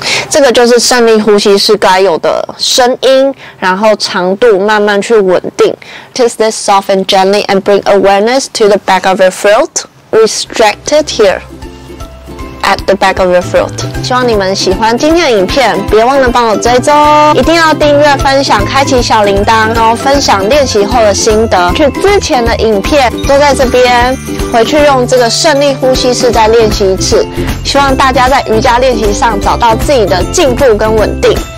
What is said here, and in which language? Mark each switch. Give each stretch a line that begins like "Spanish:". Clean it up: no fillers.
Chinese: 这个就是胜利呼吸式该有的声音，然后长度慢慢去稳定。
English: Twist this soft and gently and bring awareness to the back of your throat. Restrict it here at the back of your throat.
Chinese: 希望你们喜欢今天的影片，别忘了帮我追踪，一定要订阅、分享、开启小铃铛，然后分享练习后的心得。去之前的影片都在这边，回去用这个胜利呼吸式再练习一次。希望大家在瑜伽练习上找到自己的进步跟稳定。